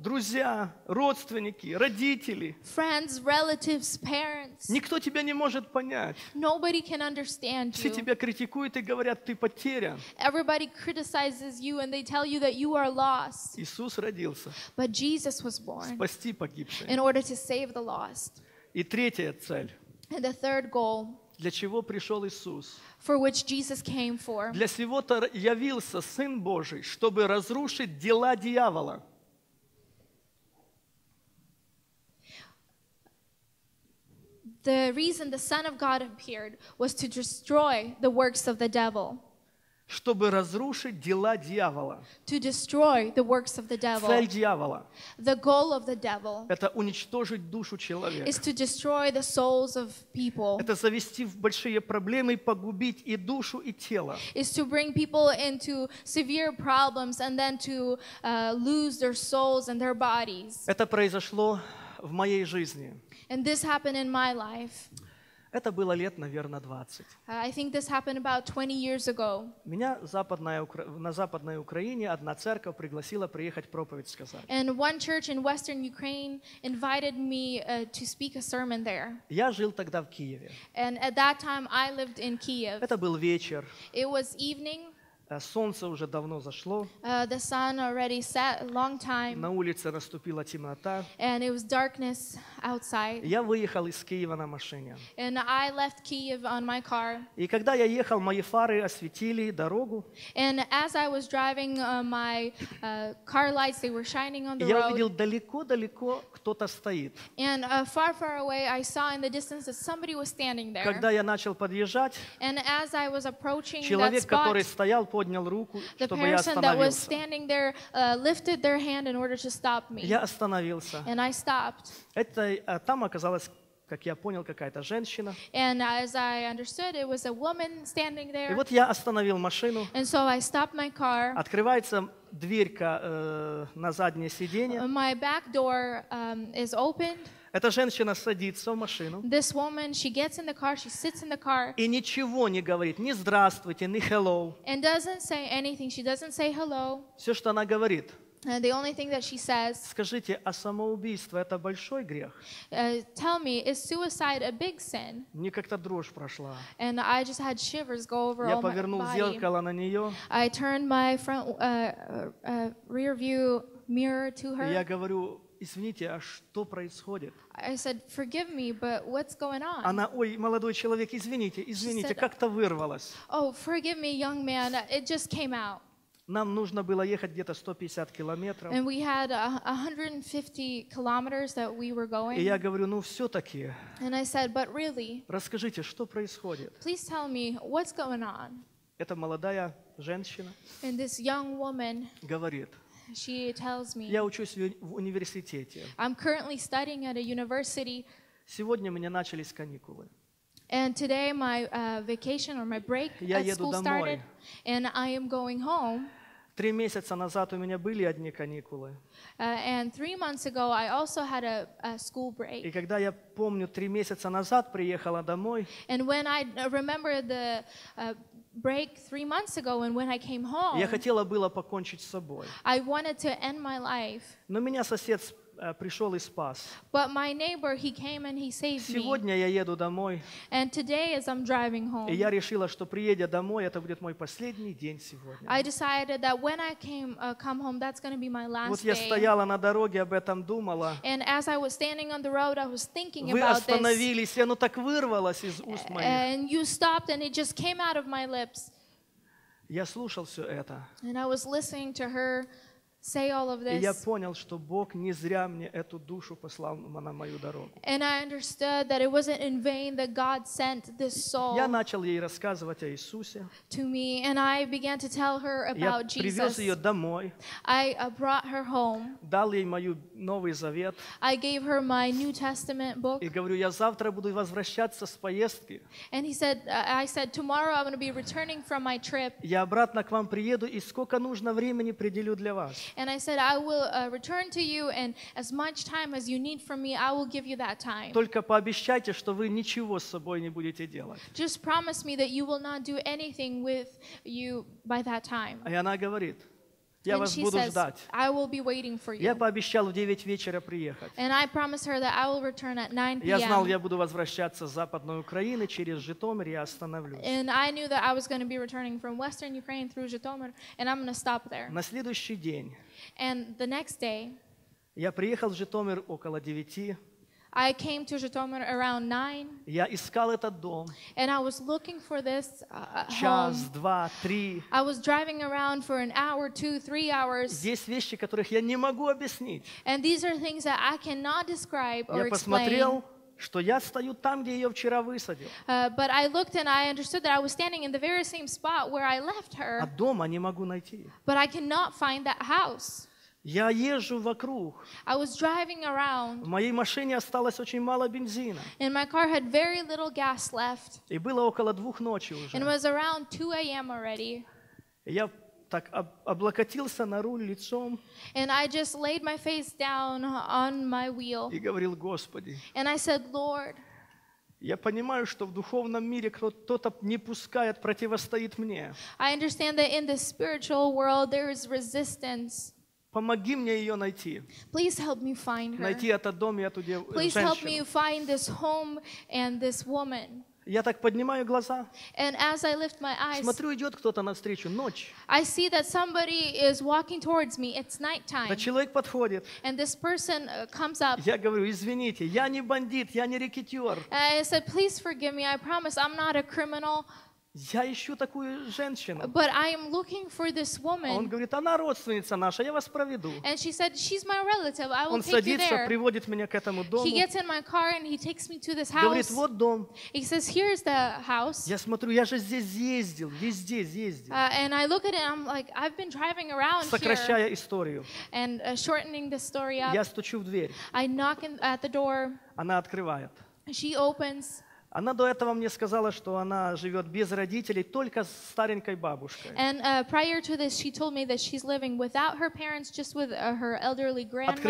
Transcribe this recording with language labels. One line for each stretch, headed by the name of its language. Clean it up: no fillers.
Russian: Друзья, родственники, родители.
English: Friends, relatives, parents.
Russian: Никто тебя не может понять.
English: Nobody can understand you.
Russian: Все тебя критикуют и говорят, ты потерян.
English: Everybody criticizes you and they tell you that you are lost.
Russian: Иисус родился.
English: But Jesus was born.
Russian: Спасти погибших.
English: In order to save the lost.
Russian: И третья цель.
English: And the third goal.
Russian: Для чего пришел Иисус?
English: For which Jesus came for.
Russian: Для сего-то явился Сын Божий, чтобы разрушить дела дьявола.
English: The reason the Son of God appeared was to destroy the works of the devil.
Russian: Чтобы разрушить дела дьявола.
English: To destroy the works of the devil.
Russian: Цель дьявола.
English: The goal of the devil.
Russian: Это уничтожить душу человека.
English: Is to destroy the souls of people.
Russian: Это завести в большие проблемы, погубить и душу, и тело.
English: Is to bring people into severe problems and then to lose their souls and their bodies.
Russian: Это произошло в моей жизни.
English: And this happened in my life.
Russian: Это было лет, наверное, 20.
English: I think this happened about 20 years ago.
Russian: Меня на Западной Украине одна церковь пригласила приехать проповедь сказать.
English: And one church in Western Ukraine invited me to speak a sermon there.
Russian: Я жил тогда в Киеве.
English: And at that time I lived in Kiev.
Russian: Это был вечер.
English: It was evening.
Russian: Солнце уже давно зашло.
English: The sun already set a long time.
Russian: На улице наступила темнота.
English: And it was darkness outside.
Russian: Я выехал из Киева на машине.
English: And I left Kiev on my car.
Russian: И когда я ехал, мои фары осветили дорогу.
English: And as I was driving, my car lights, they were shining on the road.
Russian: Я увидел далеко-далеко кто-то стоит.
English: And far, far away, I saw in the distance that somebody was standing there.
Russian: Когда я начал подъезжать,
English: and as I was approaching
Russian: человек,
English: that spot,
Russian: который стоял поднял руку, чтобы я остановился.
English: The person that was standing there lifted their hand in order to stop me.
Russian: Я остановился.
English: And I stopped.
Russian: Это там оказалось, как я понял, какая-то женщина.
English: And as I understood, it was a woman standing there.
Russian: И вот я остановил машину.
English: And so I stopped my car.
Russian: Открывается дверка на заднее сиденье.
English: My back door is opened.
Russian: Эта женщина садится в машину.
English: This woman, she gets in the car, she sits in the car.
Russian: И ничего не говорит, ни здравствуйте, ни
English: hello. And doesn't say anything. She doesn't say hello.
Russian: Все, что она говорит.
English: And the only thing that she says.
Russian: Скажите, а самоубийство это большой грех?
English: Tell me, is suicide a big sin?
Russian: Мне как-то дрожь прошла.
English: And I just had shivers go over all my body.
Russian: Я повернул зеркало на нее.
English: I turned my front rear view mirror to her.
Russian: Я говорю: «Извините, а что происходит?»
English: I said, forgive me, but what's going on?
Russian: Она: «Ой, молодой человек, извините, извините,
English: said,
Russian: как-то вырвалось».
English: Oh, forgive me, young man, it just came out.
Russian: Нам нужно было ехать где-то 150 километров.
English: And we had 150 kilometers that we were going.
Russian: И я говорю: «Ну, все-таки».
English: And I said, but really.
Russian: Расскажите, что происходит?
English: Please tell me, what's going on?
Russian: Эта молодая женщина.
English: And this young woman.
Russian: Говорит.
English: She tells me,
Russian: я учусь в университете.
English: I'm currently studying at a university.
Russian: Сегодня у меня начались каникулы.
English: And today my vacation or my break
Russian: я
English: at school
Russian: домой.
English: Started. And I am going home.
Russian: 3 месяца назад у меня были одни каникулы.
English: And 3 months ago I also had a school break.
Russian: И когда я помню, 3 месяца назад приехала домой.
English: And when I remember the break 3 months ago, and when I came home,
Russian: я хотела было покончить с собой.
English: I wanted to end my life.
Russian: Но меня сосед пришел и спас.
English: But my neighbor, he came and he saved
Russian: сегодня
English: me.
Russian: Сегодня я еду домой.
English: And today, as I'm driving home,
Russian: и я решила, что приедя домой, это будет мой последний день сегодня.
English: I decided that when I came come home, that's going to be my last day.
Russian: Вот я стояла на дороге, об этом думала.
English: And as I was standing on the road, I was thinking
Russian: вы
English: about this.
Russian: Вы остановились, и оно так вырвалось из уст моих.
English: And you stopped, and it just came out of my lips.
Russian: Я слушал все это.
English: And I was listening to her. Say all of this.
Russian: И я понял, что Бог не зря мне эту душу послал на мою дорогу.
English: And I understood that it wasn't in vain that God sent this soul.
Russian: Я начал ей рассказывать о Иисусе.
English: To me, and I began to tell her about
Russian: Jesus. Я привез ее домой.
English: I brought her home.
Russian: Дал ей мою Новый Завет.
English: I gave her my New Testament book.
Russian: И говорю: я завтра буду возвращаться с поездки.
English: And he said, I said, tomorrow I'm going to be returning from my trip.
Russian: Я обратно к вам приеду, и сколько нужно времени приделю для вас.
English: And I said, I will return to you, and as much time as you need from me, I will give you that time.
Russian: Только пообещайте, что вы ничего с собой не будете делать.
English: Just promise me that you will not do anything with you by that time.
Russian: И она говорит: я
English: and
Russian: вас буду
English: says,
Russian: ждать.
English: I will be waiting for you.
Russian: Я пообещал в 9 вечера приехать.
English: And I promise her that I will return at 9 p.m.
Russian: Я знал, я буду возвращаться с Западной Украины через Житомир, я остановлюсь.
English: And I knew that I was going to be returning from Western Ukraine through Zhytomyr, and I'm going to stop there.
Russian: На следующий день.
English: And the next day.
Russian: Я приехал в Житомир около 9.
English: I came to Zhytomyr around 9.
Russian: Я искал этот дом.
English: And I was looking for this
Russian: час,
English: home.
Russian: Два, три.
English: I was driving around for an hour, 2-3 hours.
Russian: Здесь вещи, которых я не могу объяснить.
English: And these are things that I cannot describe or explain.
Russian: Я посмотрел, что я стою там, где ее вчера высадил.
English: But I looked and I understood that I was standing in the very same spot where I left her.
Russian: А дома не могу найти.
English: But I cannot find that house.
Russian: Я езжу вокруг.
English: I was driving around.
Russian: В моей машине осталось очень мало бензина.
English: And my car had very little gas left.
Russian: И было около 2 ночи уже.
English: And it was around 2 a.m. already.
Russian: Я так облокотился на руль лицом.
English: And I just laid my face down on my wheel.
Russian: И говорил: Господи.
English: And I said, Lord.
Russian: Я понимаю, что в духовном мире кто-то не пускает, противостоит мне.
English: I understand that in the spiritual world there is resistance.
Russian: Помоги мне ее найти.
English: Please help me find her.
Russian: Найти этот дом и эту женщину.
English: Please help me find this home and this woman.
Russian: Я так поднимаю глаза.
English: And as I lift my eyes,
Russian: смотрю, идет кто-то навстречу. Ночь.
English: I see that somebody is walking towards me. It's nighttime.
Russian: Этот человек подходит.
English: And this person comes up.
Russian: Я говорю: извините, я не бандит, я не рэкетер.
English: I said, please forgive me. I promise, I'm not a criminal.
Russian: Я ищу такую женщину.
English: But I am looking for this woman.
Russian: Он говорит, она родственница наша, я вас проведу.
English: And she said, she's my relative, I will
Russian: Он
English: take
Russian: садится,
English: you there.
Russian: Приводит меня к этому дому.
English: He gets in my car and he takes me to this house.
Russian: Говорит, вот дом.
English: He says, here's the house.
Russian: Я смотрю, я же здесь ездил, везде ездил.
English: And I look at it, I'm like, I've been driving around
Russian: Сокращая
English: here.
Russian: Историю.
English: And shortening the story up.
Russian: Я стучу в дверь.
English: I knock at the door.
Russian: Она открывает.
English: She opens.
Russian: Она до этого мне сказала, что она живет без родителей, только с старенькой бабушкой.
English: And prior to this, she told me that she's living without her parents, just with her elderly grandmother.